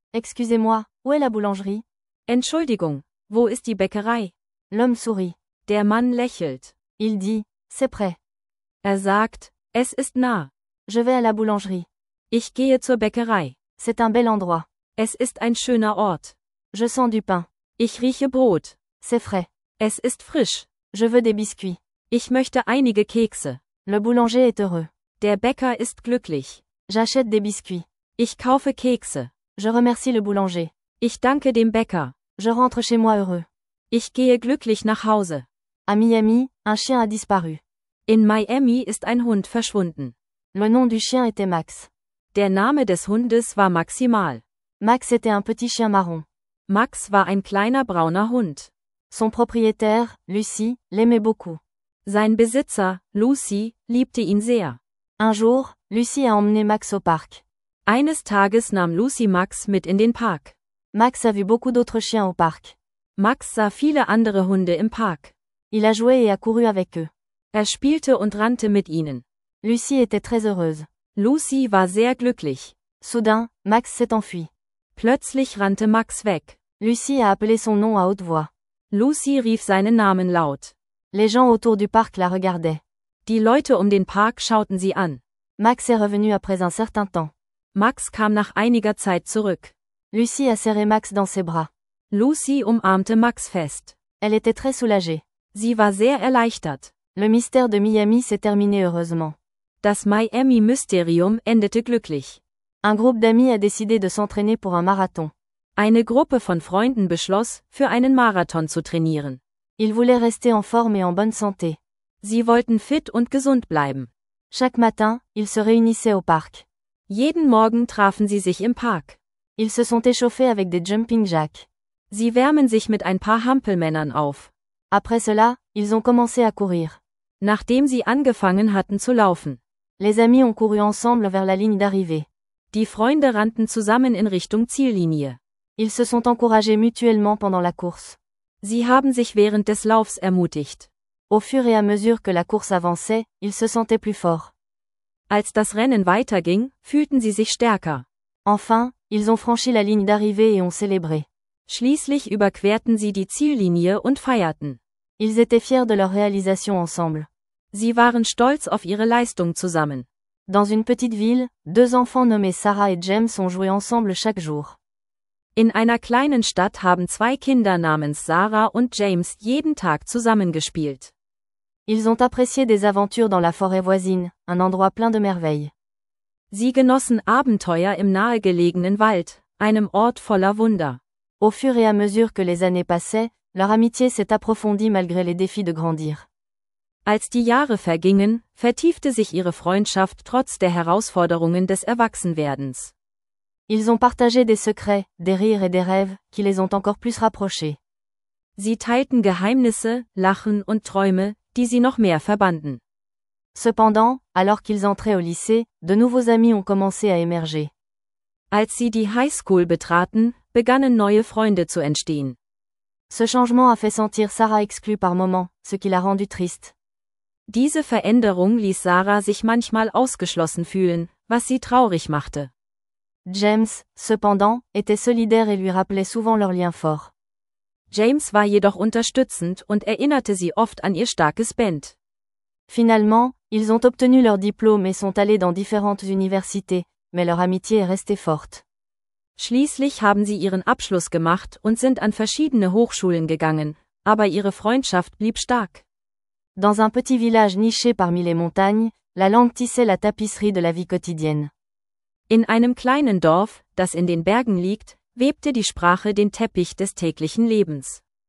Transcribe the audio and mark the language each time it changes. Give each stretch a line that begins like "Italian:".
French: Excusez-moi, où est la boulangerie?
German: Entschuldigung, wo ist die Bäckerei?
French: L'homme sourit.
German: Der Mann lächelt.
French: Il dit, c'est près.
German: Er sagt, es ist nah.
French: Je vais à la boulangerie.
German: Ich gehe zur Bäckerei.
French: C'est un bel endroit.
German: Es ist ein schöner Ort.
French: Je sens du pain.
German: Ich rieche Brot.
French: C'est frais.
German: Es ist frisch.
French: Je veux des biscuits.
German: Ich möchte einige Kekse.
French: Le boulanger est heureux.
German: Der Bäcker ist glücklich.
French: J'achète des biscuits.
German: Ich kaufe Kekse.
French: Je remercie le boulanger.
German: Ich danke dem Bäcker.
French: Je rentre chez moi heureux.
German: Ich gehe glücklich nach Hause.
French: À Miami, un chien a disparu.
German: In Miami ist ein Hund verschwunden.
French: Le nom du chien était Max.
German: Der Name des Hundes war Maximal.
French: Max était un petit chien marron.
German: Max war ein kleiner brauner Hund.
French: Son propriétaire, Lucy, l'aimait beaucoup.
German: Sein Besitzer, Lucy, liebte ihn sehr.
French: Un jour, Lucy a emmené Max au parc.
German: Eines Tages nahm Lucy Max mit in den Park.
French: Max a vu beaucoup d'autres chiens au parc.
German: Max sah viele andere Hunde im Park.
French: Il a joué et a couru avec eux.
German: Er spielte und rannte mit ihnen.
French: Lucy était très heureuse.
German: Lucy war sehr glücklich.
French: Soudain, Max s'est enfui.
German: Plötzlich rannte Max weg.
French: Lucy a appelé son nom à haute voix.
German: Lucy rief seinen Namen laut.
French: Les gens autour du parc la regardaient.
German: Die Leute um den Park schauten sie an.
French: Max est revenu après un certain temps.
German: Max kam nach einiger Zeit zurück.
French: Lucy a serré Max dans ses bras.
German: Lucy umarmte Max fest.
French: Elle était très soulagée.
German: Sie war sehr erleichtert.
French: Le mystère de Miami s'est terminé heureusement.
German: Das Miami-Mysterium endete glücklich.
French: Un groupe d'amis a décidé de s'entraîner pour un marathon.
German: Eine Gruppe von Freunden beschloss, für einen Marathon zu trainieren.
French: Ils voulaient rester en forme et en bonne santé.
German: Sie wollten fit und gesund bleiben.
French: Chaque matin, ils se réunissaient au parc.
German: Jeden Morgen trafen sie sich im Park.
French: Ils se sont échauffés avec des jumping jacks.
German: Sie wärmen sich mit ein paar Hampelmännern auf.
French: Après cela, ils ont commencé à courir.
German: Nachdem sie angefangen hatten zu laufen.
French: Les amis ont couru ensemble vers la ligne d'arrivée.
German: Die Freunde rannten zusammen in Richtung Ziellinie.
French: Ils se sont encouragés mutuellement pendant la course.
German: Sie haben sich während des Laufs ermutigt.
French: Au fur et à mesure que la course avançait, ils se sentaient plus forts.
German: Als das Rennen weiterging, fühlten sie sich stärker.
French: Enfin, ils ont franchi la ligne d'arrivée et ont célébré.
German: Schließlich überquerten sie die Ziellinie und feierten.
French: Ils étaient fiers de leur réalisation ensemble.
German: Sie waren stolz auf ihre Leistung zusammen.
French: Dans une petite ville, deux enfants nommés Sarah et James ont joué ensemble chaque jour.
German: In einer kleinen Stadt haben zwei Kinder namens Sarah und James jeden Tag zusammengespielt.
French: Ils ont apprécié des aventures dans la forêt voisine, un endroit plein de merveilles.
German: Sie genossen Abenteuer im nahegelegenen Wald, einem Ort voller Wunder.
French: Au fur et à mesure que les années passaient, leur amitié s'est approfondie malgré les défis de grandir.
German: Als die Jahre vergingen, vertiefte sich ihre Freundschaft trotz der Herausforderungen des Erwachsenwerdens.
French: Ils ont partagé des secrets, des rires et des rêves, qui les ont encore plus rapprochés.
German: Sie teilten Geheimnisse, Lachen und Träume, die sie noch mehr verbanden.
French: Cependant, alors qu'ils entraient au lycée, de nouveaux amis ont commencé à émerger.
German: Als sie die Highschool betraten, begannen neue Freunde zu entstehen.
French: Ce changement a fait sentir Sarah exclue par moments, ce qui l'a rendue triste.
German: Diese Veränderung ließ Sarah sich manchmal ausgeschlossen fühlen, was sie traurig machte.
French: James, cependant, était solidaire et lui rappelait souvent leur lien fort.
German: James war jedoch unterstützend und erinnerte sie oft an ihr starkes Band.
French: Finalement, ils ont obtenu leur diplôme et sont allés dans différentes universités, mais leur amitié est restée forte.
German: Schließlich haben sie ihren Abschluss gemacht und sind an verschiedene Hochschulen gegangen, aber ihre Freundschaft blieb stark.
French: Dans un petit village niché parmi les montagnes, la langue tissait la tapisserie de la vie quotidienne.
German: In einem kleinen Dorf, das in den Bergen liegt, webte die Sprache den Teppich des täglichen Lebens.